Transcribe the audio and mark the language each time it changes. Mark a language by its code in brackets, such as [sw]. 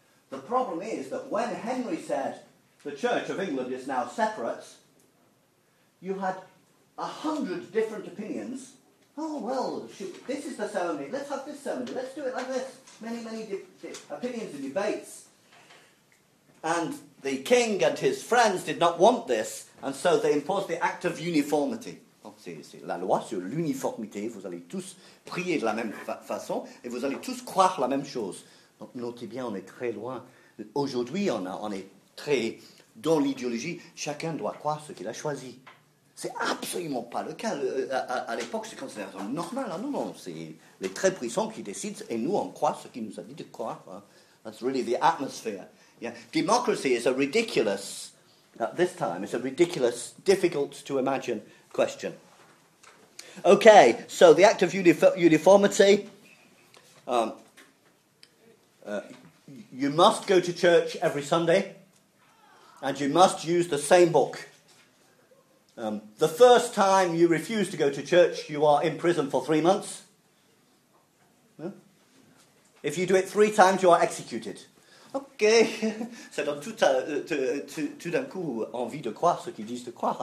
[en] The problem is that when Henry said the Church of England is now separate, you had 100 different opinions. Oh, well, this is the ceremony. Let's have this ceremony. Let's do it like this. Many, many opinions and debates. And the king and his friends did not want this, and so they imposed the act of uniformity. [fr] Oh, c'est la loi sur l'uniformité. Vous allez tous prier de la même façon et vous allez tous croire la même chose. Donc, notez bien, on est très loin. Aujourd'hui, on est très dans l'idéologie. Chacun doit croire ce qu'il a choisi. C'est absolument pas le cas. À l'époque, c'est considéré comme normal. Hein? Non, c'est les très puissants qui décident et nous, on croit ce qu'il nous a dit de croire. [en] Hein? That's really the atmosphere. Yeah. Democracy is a ridiculous, at this time, it's a ridiculous, difficult to imagine question. Okay, so the act of uniformity. You must go to church every Sunday and you must use the same book. The first time you refuse to go to church, you are in prison for 3 months. If you do it 3 times, you are executed. [fr] Ok, ça donne tout d'un coup envie de croire ce qu'ils disent de croire.